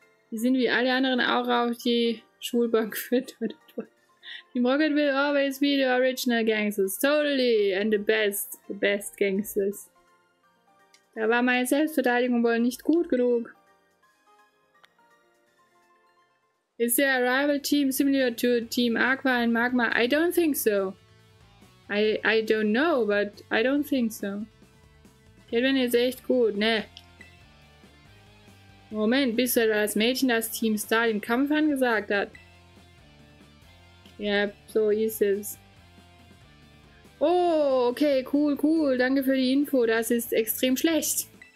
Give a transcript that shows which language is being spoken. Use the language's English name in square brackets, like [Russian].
[German] Die sind wie alle anderen auch auf die Schulbank gefüttert. [English] Team Rocket will always be the original gangsters. Totally. And the best. The best gangsters. [German] Da war meine Selbstverteidigung wohl nicht gut genug. [English] Is there a rival team similar to Team Aqua and Magma? I don't think so. I don't know, but I don't think so. [German] Kevin ist echt gut, ne? Moment, bist du das Mädchen, das Team Star den Kampf angesagt hat? Yep, so ist es. Oh, okay, cool, cool. Danke für die Info. Das ist extrem schlecht.